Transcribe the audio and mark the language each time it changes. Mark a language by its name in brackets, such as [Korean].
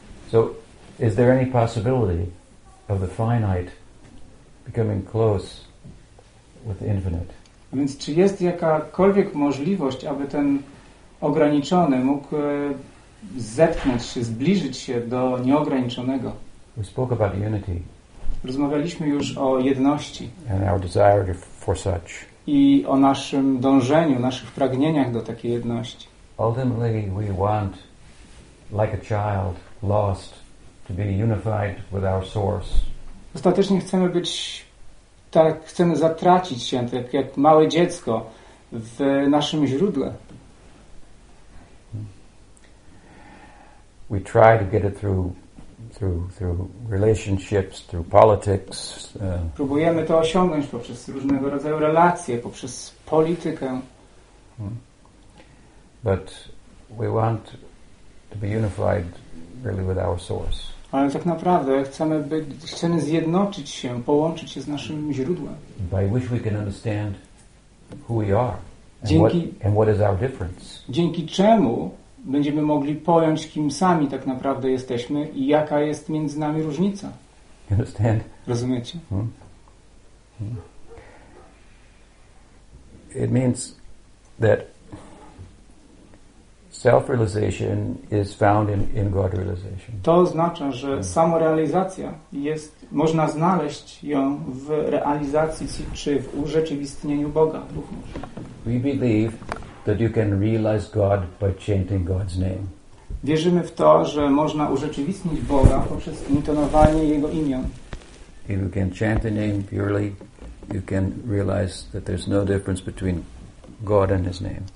[English] So, is there any possibility of the finite becoming close with the infinite? [Polish] A więc czy jest jakakolwiek możliwość, aby ten ograniczony mógł zetknąć się, zbliżyć się do nieograniczonego? [English] We spoke about unity. [Polish] Rozmawialiśmy już o jedności. [English] And our desire for such. [Polish] I o naszym dążeniu, naszych pragnieniach do takiej jedności. [English] Ultimately we want, like a child lost, to be unified with our source. [Polish] Ostatecznie chcemy być tak, chcemy zatracić się, tak jak małe dziecko w naszym źródle. [English] We try to get it through relationships, through politics. [Polish] Próbujemy to osiągnąć poprzez różnego rodzaju relacje, poprzez politykę. [English] But we want to be unified really with our source. [Polish] Ale tak naprawdę chcemy zjednoczyć się, połączyć się z naszym źródłem. [English] By which we can understand who we are and what is our difference. [Polish] Dzięki czemu będziemy mogli pojąć, kim sami tak naprawdę jesteśmy i jaka jest między nami różnica. [English] You understand? [Polish] Rozumiecie? Hmm? [English] It means that self-realization is found in God realization. [Polish] To oznacza, że samorealizacja jest, można znaleźć ją w realizacji czy w urzeczywistnieniu Boga. [English] We believe that you can realize God by chanting God's name. [Polish] Wierzymy w to, że można urzeczywistnić Boga poprzez intonowanie Jego imion. [English] If you can chant the name purely, you can realize that there's no difference between God and His name.